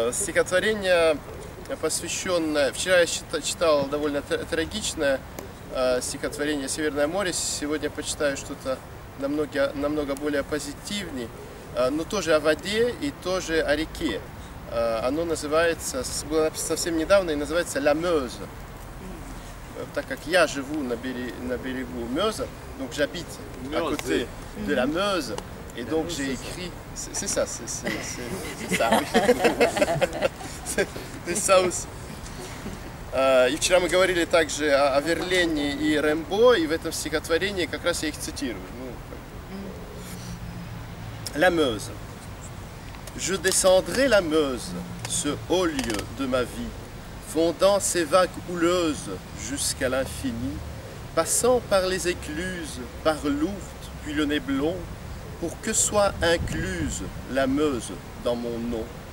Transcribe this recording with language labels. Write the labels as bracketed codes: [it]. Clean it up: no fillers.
[ru] Стихотворение, посвященное... Вчера я читал довольно трагичное стихотворение «Северное море». Сегодня почитаю что-то намного более позитивнее. Но тоже о воде и тоже о реке. Оно называется... Было написано совсем недавно и называется «La Meuse». Так как я живу на берегу [fr] Meuse, donc j'habite à côté de la Meuse, et donc j'ai écrit... C'est ça, c'est ça, oui. C'est ça aussi. [ru] И вчера мы говорили также о Верлене и Рембо, и в этом стихотворении как раз я их цитирую. [fr] La Meuse. Je descendrai la Meuse, ce haut lieu de ma vie, fondant ses vagues houleuses jusqu'à l'infini, passant par les écluses, par l'Ouft, puis le Néblon, pour que soit incluse la Meuse dans mon nom.